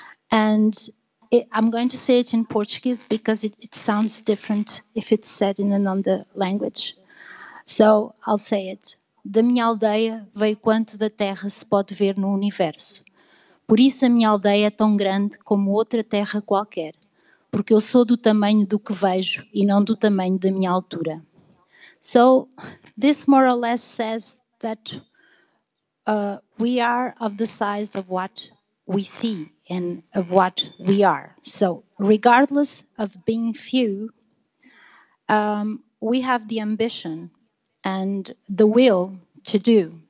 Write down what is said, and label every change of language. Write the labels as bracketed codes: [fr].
[en] I'm going to say it in Portuguese because it sounds different if it's said in another language. So I'll say it. [pt] Da minha aldeia veio quanto da terra se pode ver no universo. Por isso a minha aldeia é tão grande como outra terra qualquer. Porque eu sou do tamanho do que vejo e não do tamanho da minha altura. [en] So this more or less says that we are of the size of what we see and of what we are. So regardless of being few, we have the ambition and the will to do.